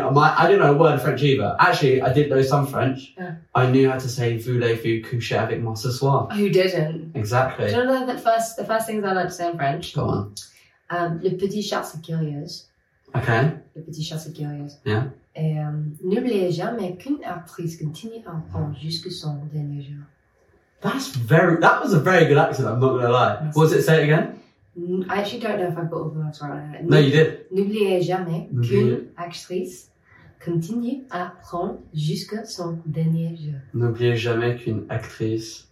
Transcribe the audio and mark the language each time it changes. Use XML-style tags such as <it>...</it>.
<en>I didn't know a word of French either. Actually, I did know some French. Yeah. I knew how to say</en> <fr>voulez-vous coucher avec moi ce soir.</fr> <en>Oh, you didn't? Exactly. Do you know the first things I learned to say in French? Go on.</en> <fr>Le petit chat, c'est curieux.</fr> <en>Okay.</en> <fr>Le petit chat, c'est curieux.</fr> <en>Yeah.</en> <fr>Et n'oubliez jamais qu'une actrice continue à apprendre jusqu'à son dernier jour.</fr> <en>That was a very good accent, I'm not going to lie. Yes. What was it? Say it again. I actually don't know if I got all the words right. No, you did.</en> <fr>N'oubliez jamais qu'une actrice continue à apprendre jusqu'à son dernier jour. N'oubliez jamais qu'une actrice...</fr>